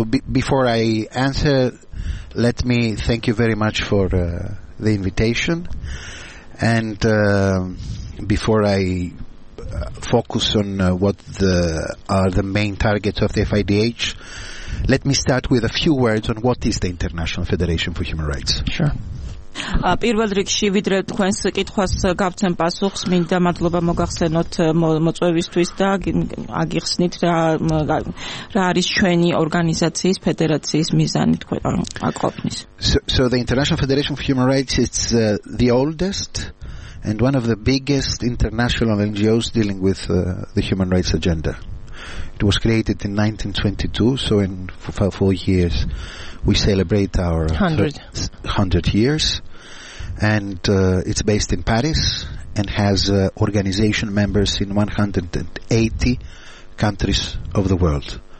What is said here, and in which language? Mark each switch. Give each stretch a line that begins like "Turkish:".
English: Before I answer, let me thank you very much for the invitation, and before I focus on what are the main targets of the FIDH, let me start with a few words on what is the International Federation for Human Rights. Sure.
Georgian: პირველ რიგში ვიდრე თქვენს კითხვას გავცემ პასუხს, მინდა მადლობა მოგახსენოთ მოწვევისთვის და აგიხსნით რა არის ჩვენი ორგანიზაციის ფედერაციის მიზანი თქვენ აკოპნის.
English: So the International Federation for Human Rights is the oldest and one of the biggest international NGOs dealing with the human rights agenda. It was created in 1922, so in 4 years we celebrate our 100 years, and it's based in Paris and has organization members in 180 countries of the world.